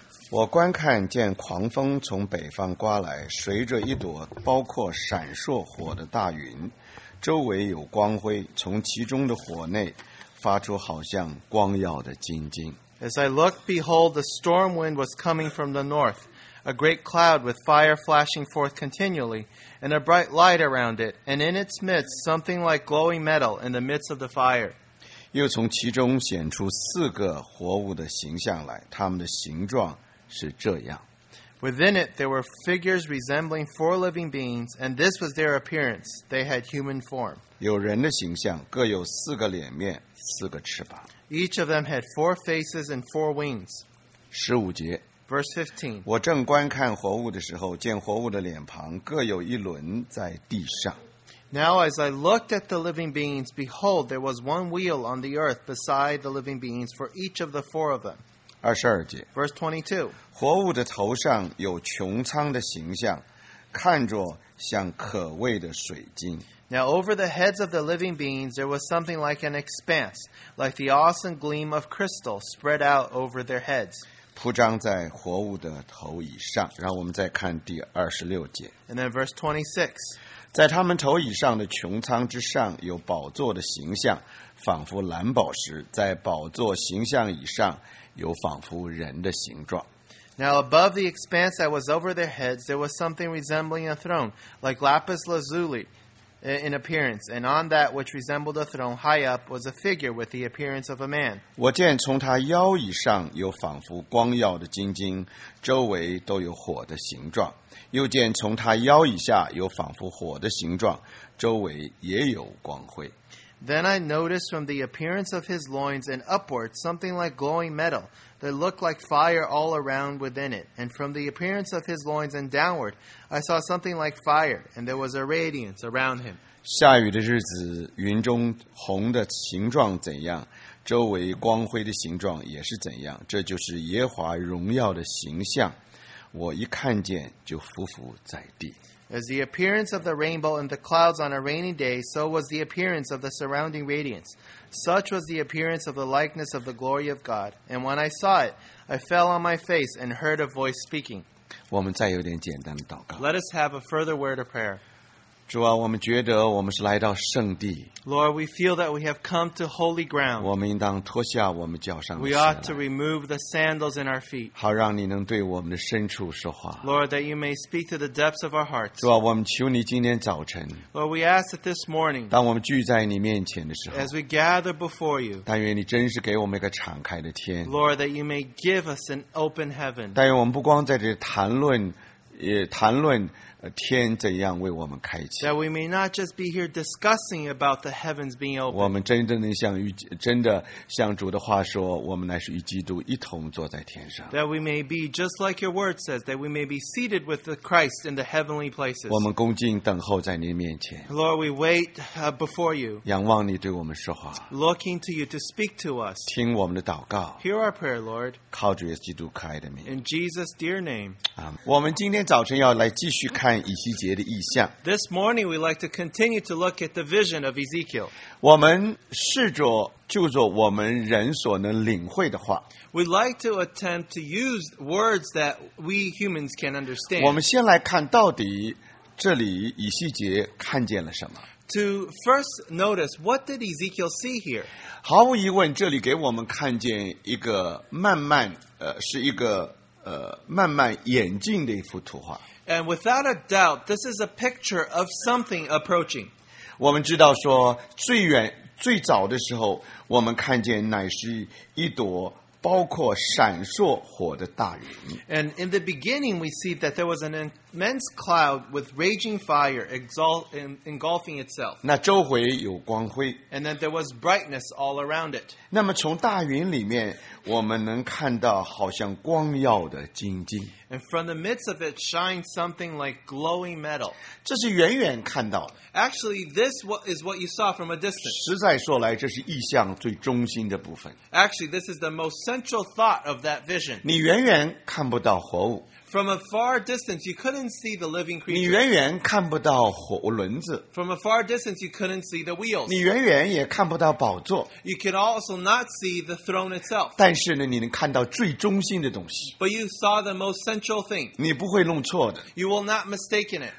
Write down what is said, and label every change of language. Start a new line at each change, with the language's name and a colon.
Chinese: 我观看见狂风从北方刮来，随着一朵包括闪烁火的大云，周围有光辉，从其中的火内发出好像光耀的金晶。
English: As I looked, behold, the storm wind was coming from the north, a great cloud with fire flashing forth continually, and a bright light around it, and in its midst something like glowing metal in the midst of the fire.
Chinese: 又从其中显出四个活物的形象来，他们的形状是这样。
English: Within it there were figures resembling four living beings, and this was their appearance. They had human form.
Chinese: 有人的形象，各有四个脸面，四个翅膀。
English: Each of them had four faces and four wings.
Chinese: 十五节。
English: Verse 15.
Chinese: 我正观看活物的时候，见活物的脸庞各有一轮在地上。
English: Now as I looked at the living beings, behold, there was one wheel on the earth beside the living beings for each of the four of them.
Chinese: 二十二节。
English: Verse 22.
Chinese: 活物的头上有穹苍的形象，看着像可畏的水晶。
English: Now over the heads of the living beings, there was something like an expanse, like the awesome gleam of crystal spread out over their heads.
Chinese: 铺张在活物的头以上。然后我们再看第二十六节。
English: And then verse 26.
Chinese: 在他们头以上的穹苍之上有宝座的形象，仿佛蓝宝石。在宝座形象以上有仿佛人的形状。
English: Now above the expanse that was over their heads, there was something resembling a throne, like lapis lazuli in appearance, and on that which resembled a throne high up was a figure with the appearance of a man.
Chinese: 我见从他腰以上有仿佛光耀的金晶，周围都有火的形状。又见从他腰以下有仿佛火的形状，周围也有光辉。
English: Then I noticed from the appearance of his loins and upward something like glowing metal that looked like fire all around within it. And from the appearance of his loins and downward, I saw something like fire, and there was a radiance around him.
Chinese: 下雨的日子，云中红的形状怎样，周围光辉的形状也是怎样。这就是耶和华荣耀的形象，我一看见就伏伏在地。
English: As the appearance of the rainbow and the clouds on a rainy day, so was the appearance of the surrounding radiance. Such was the appearance of the likeness of the glory of God. And when I saw it, I fell on my face and heard a voice speaking.
Chinese: 我们再有点简单的祷告。
English: Let us have a further word of prayer.
Chinese: 主啊，我们觉得我们是来到圣地。
English: Lord, we feel that we have come to holy ground.
Chinese: 我们应当脱下我们脚上的鞋来。
English: We ought to remove the sandals in our feet.
Chinese: 好让你能对我们的深处说话。
English: Lord, that you may speak to the depths of our hearts.
Chinese: 主啊，我们求你今天早晨。
English: Lord, we ask that this morning.
Chinese: 当我们聚在你面前的时候。
English: As we gather before you.
Chinese: 但愿你真是给我们一个敞开的天。
English: Lord, that you may give us an open heaven.
Chinese: 但愿我们不光在这谈论，也谈论天怎样为我们开启。
English: That we may not just be here discussing about the heavens being open.
Chinese: 我们真正的像主的话说，我们乃是与基督一同坐在天上。
English: That we may be just like your word says, that we may be seated with the Christ in the heavenly places.
Chinese: 我们恭敬等候在您面前。
English: Lord, we wait before you.
Chinese: 仰望你对我们说话。
English: Looking to you to speak to us.
Chinese: 听我们的祷告。
English: Hear our prayer, Lord.
Chinese: 靠主耶稣基督可爱的名。
English: In Jesus' dear name.
Chinese: 我们今天早晨要来继续看以西结的异象。
English: This morning we like to continue to look at the vision of Ezekiel.
Chinese: 我们试着就着我们人所能领会的话。
English: We like to attempt to use words that we humans can understand.
Chinese: 我们先来看到底这里以西结看见了什么。
English: To first notice, what did Ezekiel see here?
Chinese: 毫无疑问，这里给我们看见一个慢慢，是一个慢慢演进的一幅图画。
English: And without a doubt, this is a picture of something approaching.
Chinese: 我们知道说最远最早的时候，我们看见乃是一朵包括闪烁火的大云。
English: And in the beginning, we see that there was an immense cloud with raging fire engulfing itself.
Chinese: 那周围有光辉。
English: And that there was brightness all around it.
Chinese: 那么从大云里面，我们能看到好像光耀的金晶。
English: And from the midst of it shines something like glowing metal.
Chinese: 这是远远看到的。
English: Actually, this is what you saw from a distance.
Chinese: 实在说来，这是意象最中心的部分。
English: Actually, this is the most central thought of that vision.
Chinese: 你远远看不到活物。
English: From a far distance, you couldn't see the living creature.
Chinese: 你远远看不到火轮子。
English: From a far distance, you couldn't see the wheels.
Chinese: 你远远也看不到宝座。
English: You could also not see the throne itself.
Chinese: 但是呢，你能看到最中心的东西。
English: But you saw the most central thing.
Chinese: 你不会弄错的。
English: You will not mistaken it.